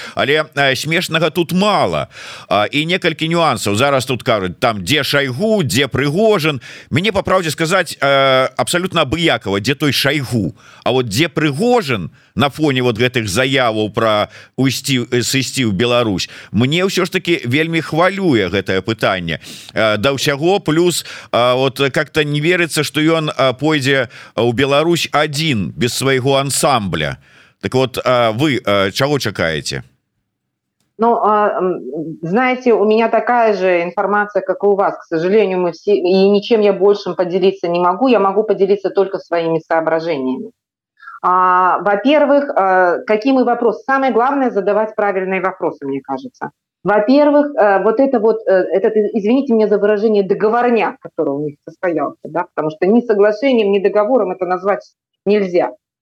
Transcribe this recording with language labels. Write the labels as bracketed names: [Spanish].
[Russian] Але смешного тут мало, и несколько нюансов. [Belarusian] Зараз тут кажут, [Russian] там, где Шойгу, где Пригожин. Мне, по правде сказать, абсолютно обыяково, где той Шойгу, а вот где Пригожин на фоне вот этих заяву про сысці в Беларусь. [Belarusian] Мне ўсё ж такі вельмі хвалюе гэтае пытанне. Да ўсяго, плюс [Russian] вот как-то [Belarusian] не верыцца, што ён пойдзе ў Беларусь адзін, без свайго ансамбля. [Russian] Так вот, [Belarusian] вы чаго чакаеце? [Russian] Ну, знаете, у меня такая же информация, как и у вас. К сожалению, мы все, и ничем я большим поделиться не могу. Я могу поделиться только своими соображениями. Во-первых, какие мы вопросы? Самое главное – задавать правильные вопросы, мне кажется. Во-первых, этот, извините меня за выражение, договорняк, который у них состоялся, да, потому что ни соглашением, ни договором это назвать нельзя.